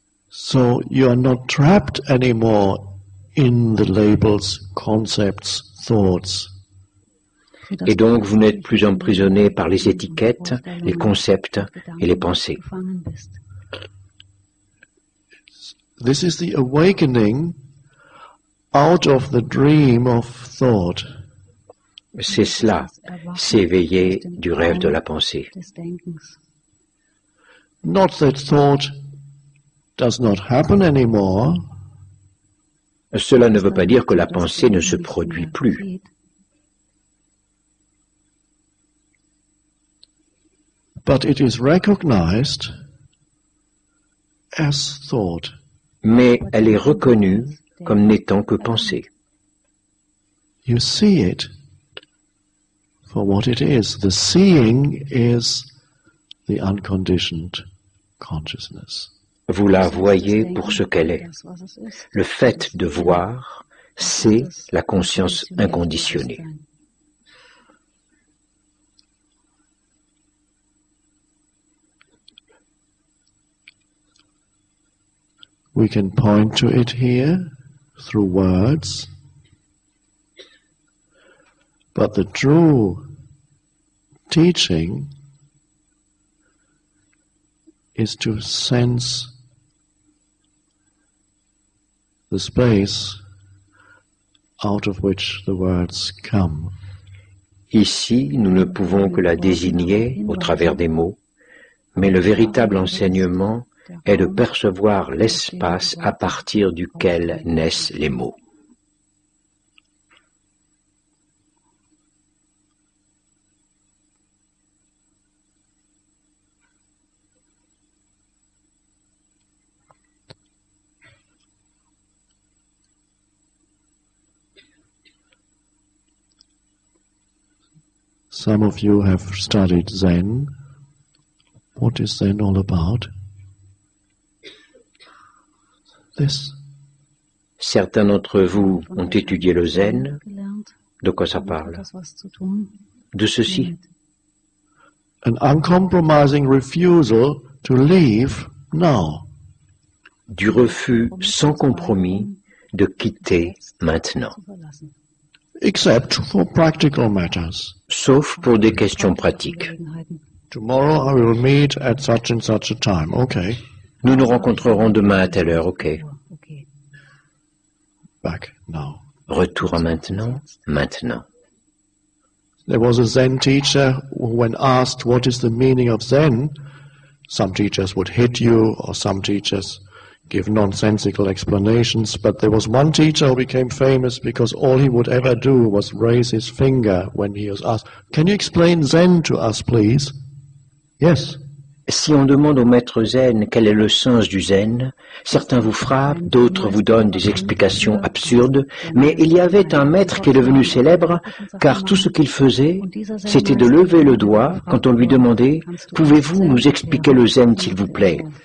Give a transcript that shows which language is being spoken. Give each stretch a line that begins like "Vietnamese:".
English: So you are not trapped anymore in the labels, concepts, thoughts.
French: Et donc vous n'êtes plus emprisonné par les étiquettes, les concepts et les pensées.
English: This is the awakening out of the dream of thought.
French: C'est cela, s'éveiller du rêve de la pensée.
English: Not that thought does not happen anymore.
French: Cela ne veut pas dire que la pensée ne se produit plus.
English: But it is recognized as thought.
French: Mais elle est reconnue comme n'étant que pensée.
English: You see it for what it is. The seeing is the unconditioned consciousness.
French: Vous la voyez pour ce qu'elle est. Le fait de voir, c'est la conscience inconditionnée.
English: We can point to it here through words, but the true teaching is to sense the space out of which the words come.
French: Ici, nous ne pouvons que la désigner au travers des mots, mais le véritable enseignement est de percevoir l'espace à partir duquel naissent les mots.
English: Some of you have studied Zen. What is Zen all about? This.
French: Certains d'entre vous ont étudié le Zen. De quoi ça parle? De ceci.
English: An uncompromising refusal to leave now.
French: Du refus sans compromis de quitter maintenant.
English: Except for practical matters.
French: Sauf pour des questions pratiques.
English: Tomorrow I will meet at such and such a time. Okay.
French: Nous nous rencontrerons demain à telle heure.
English: Okay. Back now.
French: Retour à maintenant. Maintenant.
English: There was a Zen teacher who, when asked what is the meaning of Zen, some teachers would hit you, or some teachers give nonsensical explanations, but there was one teacher who became famous because all he would ever do was raise his finger when he was asked, "Can you explain Zen to us, please?" Yes.
French: Si on demande au maître Zen quel est le sens du Zen, certains vous frappent, d'autres vous donnent des explications absurdes, mais il y avait un maître qui est devenu célèbre car tout ce qu'il faisait, c'était de lever le doigt quand on lui demandait, "Pouvez-vous nous expliquer le Zen, s'il vous plaît?"